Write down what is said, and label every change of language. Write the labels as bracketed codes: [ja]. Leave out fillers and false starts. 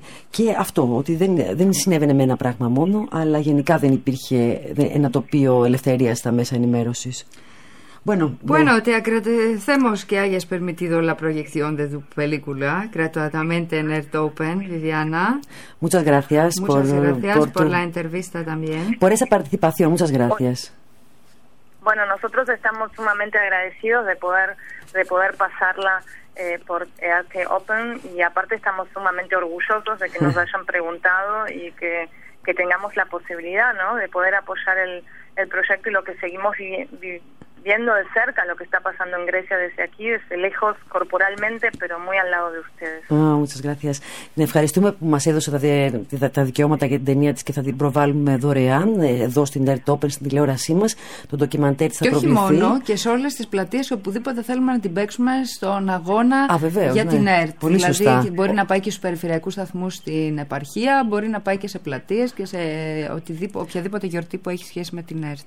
[el] Και αυτό, ότι δεν συνέβαινε με ένα πράγμα μόνο, αλλά γενικά δεν υπήρχε ένα τοπίο ελευθερίας στα μέσα ενημέρωσης. [es] Bueno, bueno, te agradecemos que hayas permitido la proyección de tu película gratuitamente en Earth Open, Viviana. Muchas gracias. Muchas gracias por la entrevista también. Por esa participación, muchas gracias. Bueno, nosotros estamos sumamente agradecidos de poder pasarla por Earth Open, y aparte estamos sumamente orgullosos de que nos hayan preguntado y que tengamos la posibilidad, ¿no?, de poder apoyar el proyecto y lo que seguimos viendo de cerca, lo que está pasando en Grecia desde aquí, desde lejos, corporalmente, pero muy al lado de ustedes. Oh, muchas gracias. [el] Ευχαριστούμε που μας έδωσε τα δικαιώματα για την ταινία της και θα την προβάλλουμε δωρεάν εδώ στην Earth Open, στην τηλεόρασή μας. Το ντοκιμαντέρ της θα προβληθεί. Και όχι μόνο, και σε όλες τις πλατείες, οπουδήποτε θέλουμε να την παίξουμε στον αγώνα για την Earth. Πολύ σωστά. Δηλαδή μπορεί να πάει και στους περιφερειακούς σταθμούς στην επαρχία, μπορεί να πάει και σε πλατείες και σε οποιαδήποτε γιορτή που έχει σχέση με την Earth.